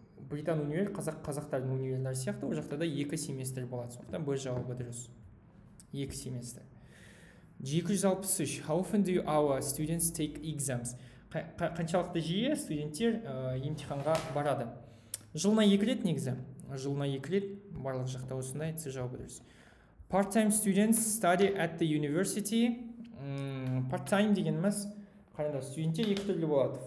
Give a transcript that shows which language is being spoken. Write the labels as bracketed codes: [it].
[kk] Британ универ, қазақтардың универлер сияқты, ол жақтарда 2 семестр болады. Сондықтан бір жауабы дұрыс. 2 семестр. 263. [en] How often do our students take exams? [kk] Қаншалықты жиі студенттер емтиханға барады. Жылына 2 рет негізі. Жылына 2 рет барлық жақта осындай сіз жауабы дұрыс. [en] Part-time students study at the university. [kk] Part-time дегеніміз, қарында студенттер екі түрлі болады.